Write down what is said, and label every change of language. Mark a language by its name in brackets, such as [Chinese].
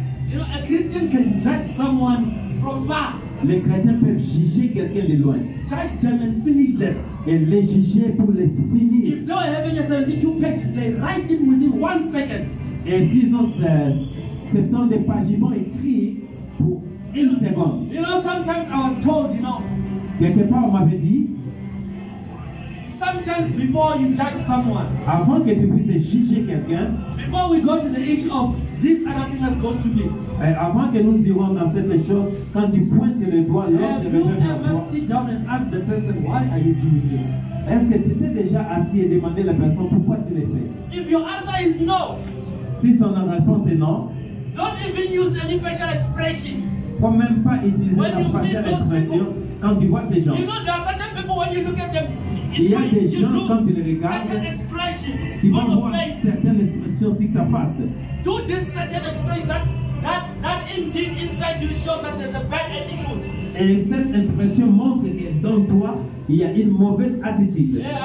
[English] You know, a Christian can judge someone from far. [French] Les chrétiens peuvent juger quelqu'un de loin. [English] Judge them and finish them. [French] Et les juger pour les finir. [English] If they are having 72 pages, they write it within 1 second. [French] Et s'ils ont 70 pages, ils vont écrire pour une seconde. [English] You know, sometimes I was told, you know. [French] Quelque part, on m'avait dit. [English] Sometimes before you judge someone. [French] Avant que tu puisses juger quelqu'un. [English] Before we go to the issue of this other thing that goes to me. [French] Et avant que nous irons dans cette chose, quand tu pointes le doigt, l'autre de la personne. [English] Have you ever sit down and ask the person why are you doing it? [French] Est-ce que tu t'es déjà assis et demandé à la personne pourquoi tu le fais? [English] If your answer is no. [French] Si son réponse est non. [English] Don't even use any facial expression. [French] Faut même pas utiliser la [English] facial expression people, [French] quand tu vois ces gens. [English] You know there are certain people when you look at them. [French] Il y a des gens, quand tu les regardes, qui vont voir certaines expressions sur ta face. [English] Do this certain expression that indeed inside you shows that there's a bad attitude. [French] Et cette expression montre que dans toi, il y a une mauvaise attitude.